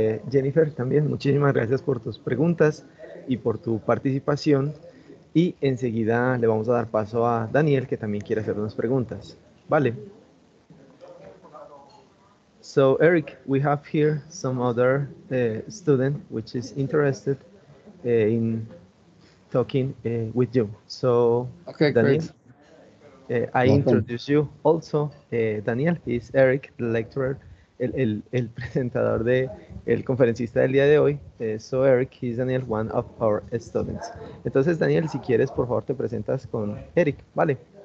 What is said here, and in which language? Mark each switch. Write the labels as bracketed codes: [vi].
[es] Jennifer, también muchísimas gracias por tus preguntas y por tu participación. Y enseguida le vamos a dar paso a Daniel, que también quiere hacer unas preguntas. Vale. [en] So, Eric, we have here some other student which is interested in talking with you. So, okay, Daniel, great. I introduce you also. Daniel is Eric, the lecturer [es] el presentador de el conferencista del día de hoy. [en] So Eric, he's Daniel, one of our students. [es] Entonces Daniel, si quieres, por favor, te presentas con Eric, ¿vale?